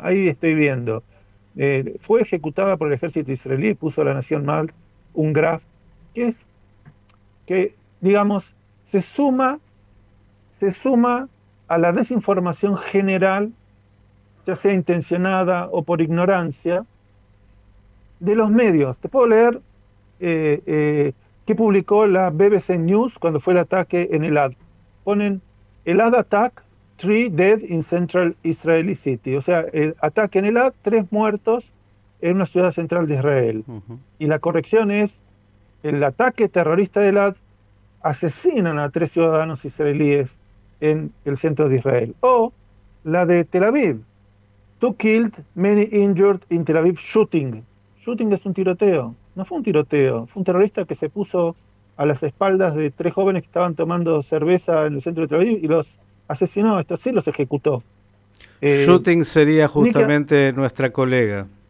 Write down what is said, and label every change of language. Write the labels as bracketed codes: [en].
[es] Ahí estoy viendo. Fue ejecutada por el ejército israelí, puso a la Nación mal un graf, que es que, digamos, se suma a la desinformación general, ya sea intencionada o por ignorancia, de los medios. Te puedo leer qué publicó la BBC News cuando fue el ataque en Elad. Ponen [en] Elad attack, 3 dead in central Israeli city. [es] O sea, el ataque en Elad, 3 muertos en una ciudad central de Israel. Y la corrección es el ataque terrorista de Elad, asesinan a 3 ciudadanos israelíes en el centro de Israel. O la de [en] Tel Aviv, 2 killed, many injured in Tel Aviv shooting. [es] Shooting es un tiroteo. No fue un tiroteo, fue un terrorista que se puso a las espaldas de 3 jóvenes que estaban tomando cerveza en el centro de Tel Aviv y los asesinó. Esto sí, los ejecutó. Shooting sería justamente nuestra colega.